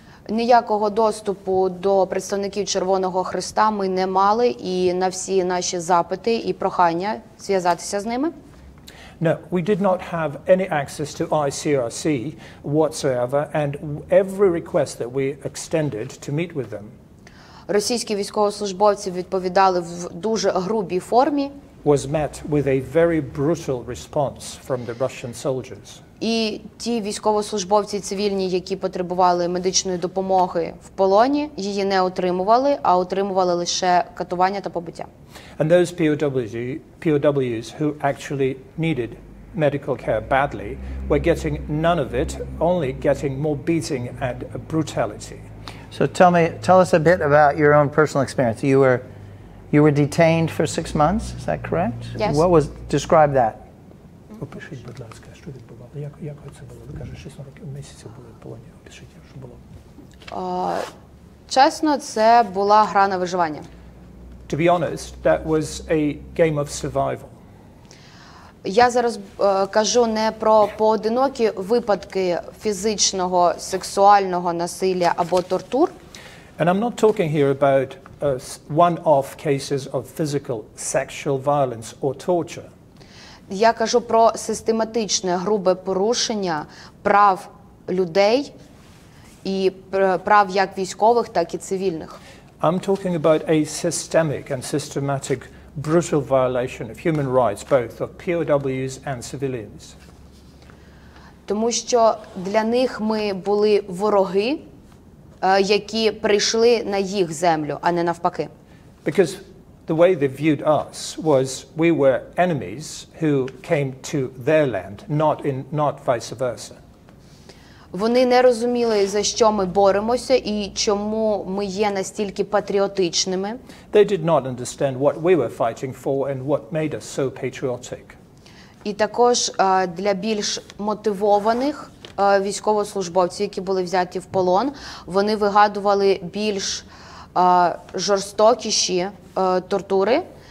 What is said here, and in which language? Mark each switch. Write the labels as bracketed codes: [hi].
[uk] Ніякого доступу до представників Червоного Хреста ми не мали, і на всі наші запити і прохання зв'язатися з ними. [en] No, we did not have any access to ICRC whatsoever, and every request that we extended to meet with them. [uk] Російські військовослужбовці відповідали в дуже грубій формі. [en] Was met with a very brutal response from the Russian soldiers. [uk] І ті військовослужбовці цивільні, які потребували медичної допомоги в полоні, її не отримували, а отримували лише катування та побиття. [en] And those POWs who actually needed medical care badly were getting none of it, only getting more beating and brutality. So tell us a bit about your own personal experience. You were detained for 6 months, is that correct? Yes. Describe that. [uk] Опишіть, будь ласка, що відбувало? Як це було? Ви кажете, 6 місяців були в полоні. Опишіть, що було? Чесно, це була гра на виживання. [en] To be honest, that was a game of survival. [uk] Я зараз кажу не про поодинокі випадки фізичного, сексуального насилля або тортур. [en] And I'm not talking here about one-off cases of physical, sexual violence or torture. [uk] Я кажу про систематичне грубе порушення прав людей і прав як військових, так і цивільних. [en] I'm talking about a systemic and systematic brutal violation of human rights, both of POWs and civilians. [uk] Тому що для них ми були вороги, які прийшли на їх землю, а не навпаки. [en] Because the way they viewed us was we were enemies who came to their land, not vice versa. [uk] Вони не розуміли, за що ми боремося і чому ми є настільки патріотичними. [en] They did not understand what we were fighting for and what made us so patriotic. [uk] І також для більш мотивованих військовослужбовців, які були взяті в полон, вони вигадували більш жорстокіші тортури.